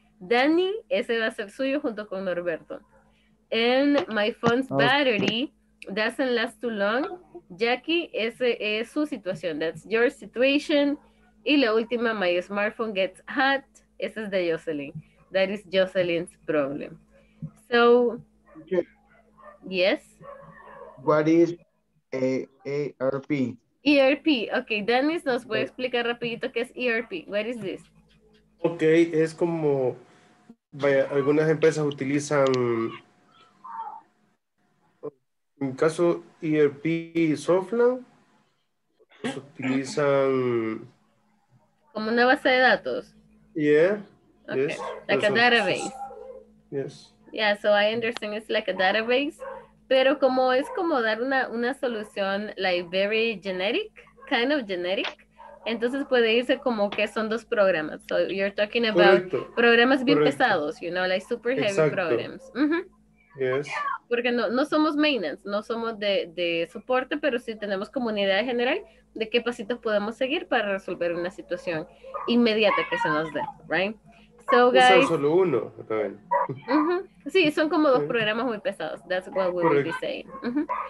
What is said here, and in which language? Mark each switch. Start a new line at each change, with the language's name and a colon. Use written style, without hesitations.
Spanish: Danny, ese va a ser suyo junto con Norberto.
English: And my phone's battery doesn't last too long.
Spanish: Jackie, ese es su situación.
English: That's your situation.
Spanish: Y la última,
English: my smartphone gets hot.
Spanish: Ese es de Jocelyn.
English: That is Jocelyn's problem. So, yes. What is AARP? ERP, okay.
Spanish: Dennis nos puede explicar rapidito qué es ERP.
English: What is this?
Spanish: Okay, es como vaya, algunas empresas utilizan, en caso ERP software, utilizan... Como una base de datos.
English: Yeah. Okay. Yes. Like a database. Yes. Yeah, so I understand it's like a database.
Spanish: Pero como es como dar una solución
English: like very generic, kind of generic,
Spanish: entonces puede irse como que son dos programas.
English: So you're talking about
Spanish: programas bien pesados,
English: you know, like super heavy programs. Mm-hmm. Yes.
Spanish: Porque no somos maintenance, no somos de soporte, pero sí tenemos como una idea general de qué pasitos podemos seguir para resolver una situación inmediata que se nos dé, right?
English: So guys,
Spanish: solo uno, está bien. Uh-huh. Sí, son como dos programas muy pesados.
English: That's what we will be saying.
Spanish: Uh-huh.